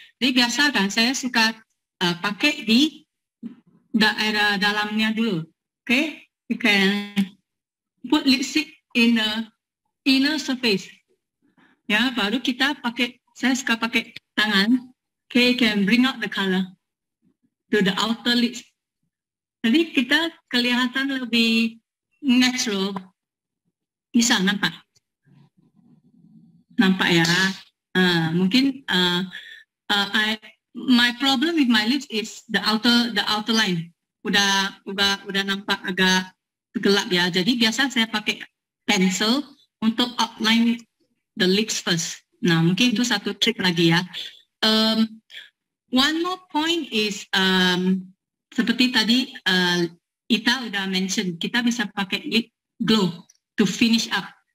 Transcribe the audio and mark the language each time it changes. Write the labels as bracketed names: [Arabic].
[Indonesian] Jadi biasa kan, saya suka pakai di daerah dalamnya dulu. [English] Okay, you can put lipstick in the inner surface. [Indonesian] Ya, baru kita pakai, saya suka pakai tangan. [English] Okay, you can bring out the color to the outer lips. [Indonesian] Jadi kita kelihatan lebih natural. Bisa nampak? Nampak ya? [English] Mungkin my problem with my lips is the outer line. [Indonesian] Udah nampak agak gelap ya. Jadi biasa saya pakai pencil untuk [English] outline the lips first. [Indonesian] Nah, mungkin itu satu trik lagi ya. [English] One more point is [Indonesian] seperti tadi Ita udah [English] mention, [Indonesian] kita bisa pakai [English] lip glow to finish up.